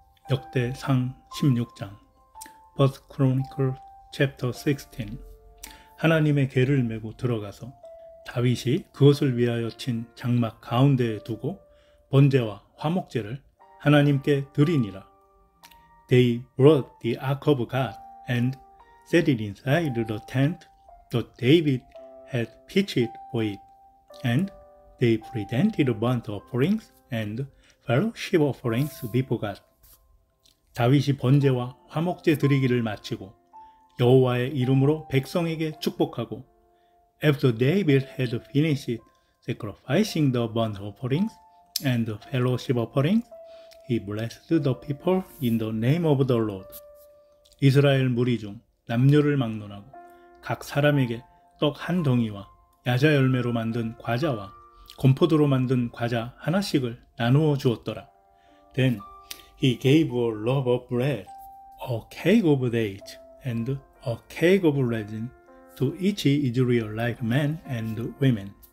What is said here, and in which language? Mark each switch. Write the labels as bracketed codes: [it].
[ko] 역대상 16장 [en] 버스 크로니클 챕터 16. [ko] 하나님의 궤를 메고 들어가서 다윗이 그것을 위하여 친 장막 가운데에 두고 번제와 화목제를 하나님께 드리니라. [en] They brought the ark of God and set it inside the tent that David had pitched for it. And they presented burnt offerings and fellowship offerings before God. [ko] 다윗이 번제와 화목제 드리기를 마치고 여호와의 이름으로 백성에게 축복하고 [en] After David had finished sacrificing the burnt offerings and the fellowship offerings, he blessed the people in the name of the Lord. [ko] 이스라엘 무리 중 남녀를 막론하고 각 사람에게 떡 한 덩이와 야자 열매로 만든 과자와 곰포도로 만든 과자 하나씩을 나누어 주었더라. [en] Then he gave a loaf of bread, a cake of dates, and a cake of raisin to each Israelite man and women.